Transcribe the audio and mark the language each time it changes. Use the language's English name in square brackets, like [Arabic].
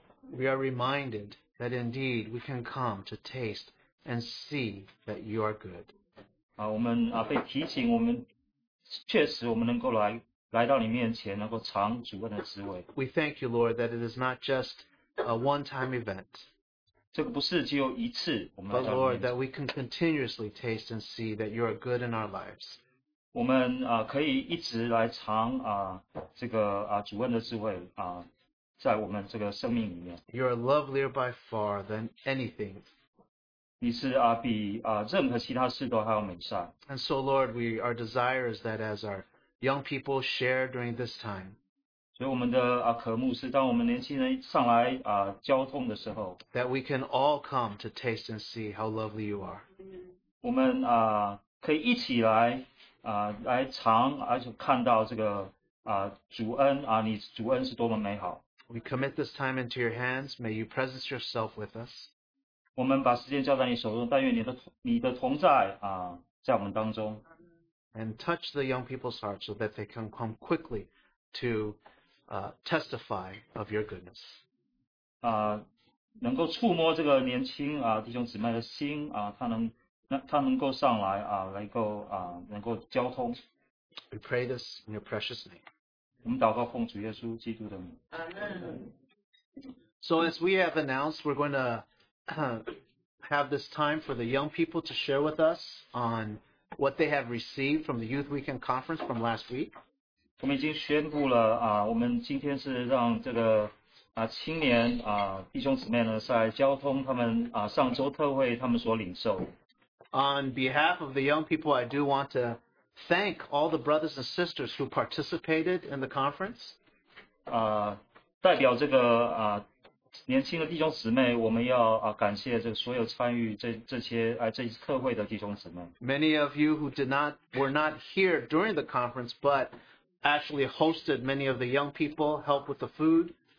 [English] we are reminded that indeed we can come to taste and see that you are good. [Chinese] 我们被提醒,我们确实我们能够来到你面前,能够尝主恩的滋味。 [English] We thank you, Lord, that it is not just a one-time event. [Chinese] 这个不是只有一次, [English] but Lord, that we can continuously taste and see that you are good in our lives. [Chinese] 我们, 可以一直来尝, 这个, 主恩的滋味, 在我们这个生命里面。 [English] You are lovelier by far than anything. [Chinese] 你是, 比, 任何其他事都还要美善。 [English] And so, Lord, we, our desire is that as our young people share during this time, [Chinese] 所以我们的, 渴慕是, 当我们年轻人上来, 交通的时候, [English] that we can all come to taste and see how lovely you are. [Chinese] 我们, 可以一起来, 来尝, 而且看到这个, 主恩, 你主恩是多么美好。 [English] We commit this time into your hands. May you presence yourself with us. [Chinese] 我们把时间交在你手中, 但愿你的同在, 在我们当中。 [English] And touch the young people's hearts so that they can come quickly to testify of your goodness. [Chinese] 能够触摸这个年轻, 弟兄姊妹的心, 他能够上来, 来够, 能够交通。 [English] We pray this in your precious name. [Chinese] 我们祷告奉主耶稣基督的名。 [English] So as we have announced, we're going to have this time for the young people to share with us on what they have received from the Youth Weekend Conference from last week. [Chinese] 我们已经宣布了, 我们今天是让这个, 青年, 弟兄姊妹呢, 在交通他们, 上周特会他们所领受。 [English] On behalf of the young people, I do want to thank all the brothers and sisters who participated in the conference. [Chinese] 代表这个, 年轻的弟兄姊妹, 我们要, 感谢这所有参与这些, 这一次特会的弟兄姊妹。 [English] Many of you who did not were not here during the conference, but actually hosted many of the young people, helped with the food.